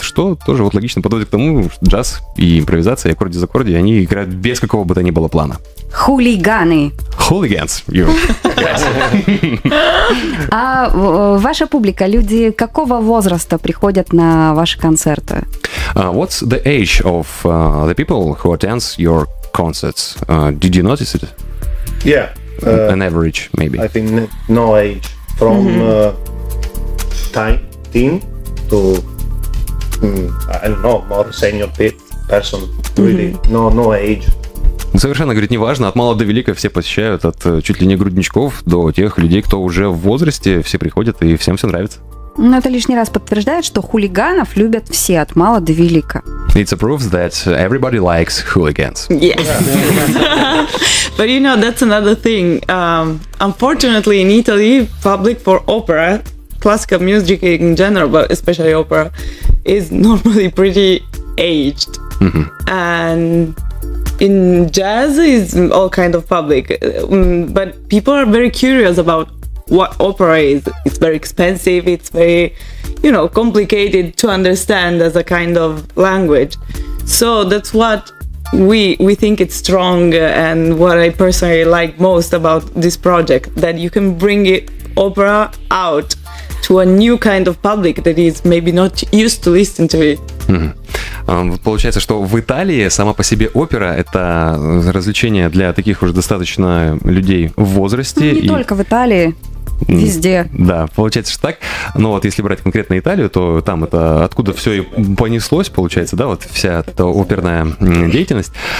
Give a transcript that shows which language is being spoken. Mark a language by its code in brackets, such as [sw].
[ru] Что тоже вот логично подводит к тому, что джаз и импровизация, и аккорди-закорди, они играют без какого бы то ни было плана. Хулиганы. Хулиганс. А ваша публика, люди какого возраста приходят на ваши концерты? [en] What's the age of the people who attend your concerts? Did you notice it? Yeah. An average, maybe. I think no age. From 19 to, I don't know, more senior person, really. Mm-hmm. No age. [ru] Совершенно, говорит, неважно, от мала до велика все посещают, от чуть ли не грудничков до тех людей, кто уже в возрасте, все приходят и всем все нравится. Но это лишний раз подтверждает, что хулиганов любят все, от мала до велика. [en] It's a proof that everybody likes hooligans. Yes. But you know, that's another thing. Unfortunately, in Italy, public for opera, classical music in general, but especially opera, is normally pretty aged. Mm-hmm. And in jazz is all kind of public, but people are very curious about what opera is. It's very expensive, it's very, you know, complicated to understand as a kind of language. So that's what we think it's strong, and what I personally like most about this project, that you can bring it, opera, out to a new kind of public that is maybe not used to listen to it. [ru] Получается, что в Италии сама по себе опера — это развлечение для таких уже достаточно людей в возрасте. Ну, не только в Италии, везде. Да, получается, что так. Но вот если брать конкретно Италию, то там это откуда все и понеслось, получается, да, вот вся эта оперная деятельность.